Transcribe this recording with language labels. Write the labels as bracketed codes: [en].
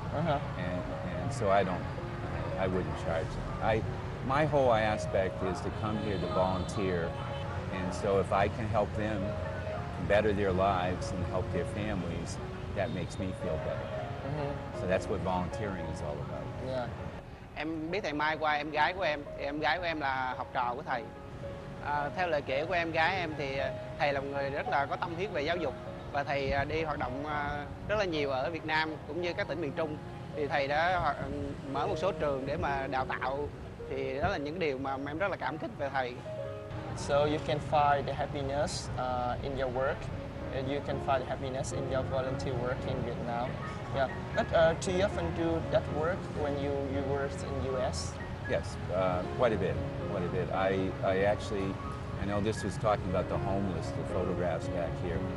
[en] And so I wouldn't charge them. My whole aspect is to come here to volunteer, and so if I can help them better their lives and help their families, that makes me feel better. So that's what volunteering is all about. Yeah. [vi] Em biết thầy Mai qua em gái của em. Em gái của em là học trò của thầy. Theo lời kể của em gái em thì thầy là một người rất là có tâm huyết về giáo dục và thầy đi hoạt động rất là nhiều ở Việt Nam cũng như các tỉnh miền Trung. Thì thầy đã mở một số trường để mà đào tạo. Thì đó là những điều mà em rất là cảm kích về thầy. [en] So you can find the happiness in your work, and you can find happiness in your volunteer work in Vietnam. Yeah. But do you often do that work when you work in US? Yes, quite a bit. I actually, I know this was talking about the homeless, the photographs back here.